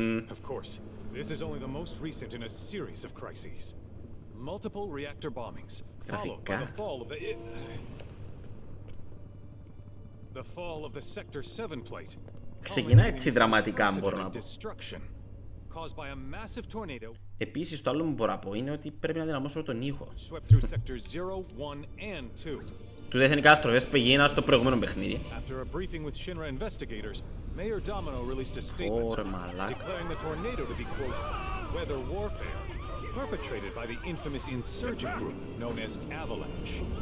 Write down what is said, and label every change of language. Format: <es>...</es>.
<en>Of course, this is only the most recent in a series of crises. Multiple reactor bombings, followed by the fall of the fall of the Sector 7 plate.</en> <el>Ξεκινά έτσι δραματικά, μπορώ να πω.</el> <en>Caused by a massive tornado.</en> <el>Επίσης το άλλο που μπορώ να πω είναι ότι πρέπει να δυναμώσω τον ήχο.</el> <en>Swept through Sector 0, 1 and 2.</en> <el>Του δεν είναι καταστροφές που έγινα στο προηγούμενο παιχνίδι.</el> <en>After a briefing with Shinra investigators, Mayor Domino released a statement declaring the tornado to be quote weather warfare perpetrated by the infamous insurgent group known as Avalanche.</en>